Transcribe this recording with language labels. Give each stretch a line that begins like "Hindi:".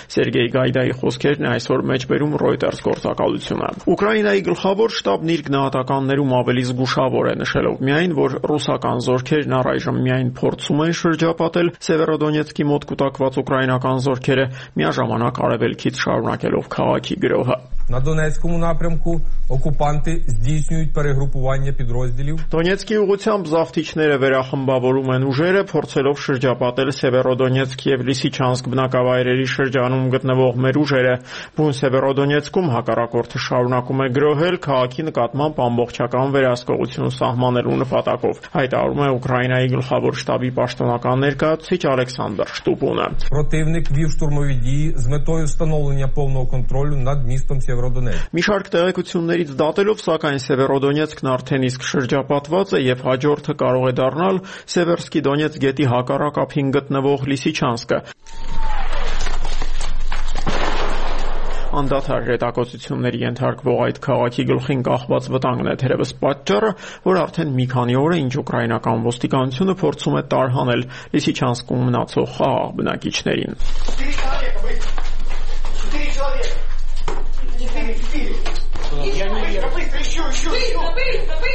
Armenian: Սերգեյ Գայդայի խոսքերն է այսօր մեջբերում Reuters գործակալությունը։ Ուկրաինայի գլխավոր շտաբն իր գնահատականներում ավելի զգուշավոր է, նշելով միայն, որ ռուսական զորքերն առայժմ միայն փորձում են շրջապատել Սևերոդոնեցկի մոտ կուտակված ուկրաինական զորքերը, միաժամանակ արևելքից շարունակելով քաղաքի գրոհը։
Ukrainian: На Донецькому напрямку окупанти здійснюють перегрупування підрозділів. Донецькі
Armenian: ուղությամբ զավթիչները վերախմբավորում են ուժերը, փորձելով շրջապատել Սևերոդոնեցկ եւ Լիսիչանսկ բնակավայրերի շրջանում գտնվող մեր ուժերը։ Բուն Սևերոդոնեցկում հակառակորդը շարունակում է գրոհել քաղաքի նկատմամբ ամբողջական վերահսկողություն սահմանելու նպատակով, հայտարարում է Ուկրաինայի գլխավոր
Ukrainian: штаби
Armenian: պաշտոնական ներկայացուցիչ Ալեքսանդր Շտուպունը։
Ukrainian: Противник вів штурмові дії з метою встановлення повного контролю над містом Սևերոդոնեցկ։
Armenian: Մի շարք տեղեկություններից դատելով, սակայն Սևերոդոնեցկն արդեն իսկ շրջապատված է եւ հաջորդը կարող է դառնալ Սևերսկի Դոնեցկ գետի հակառակապին գտնվող Լիսիչանսկը։ Անդադար հետաքոցությունների ենթարկվող այդ քաղաքի գլխին կախված վտանգն է թերևս պատճառը, որ արդեն մի քանի օր է, ինչ ուկրաինական ոստիկանությունը փորձում է տարհանել Լիսիչանսկում մնացող խաղաղ բնակիչներին։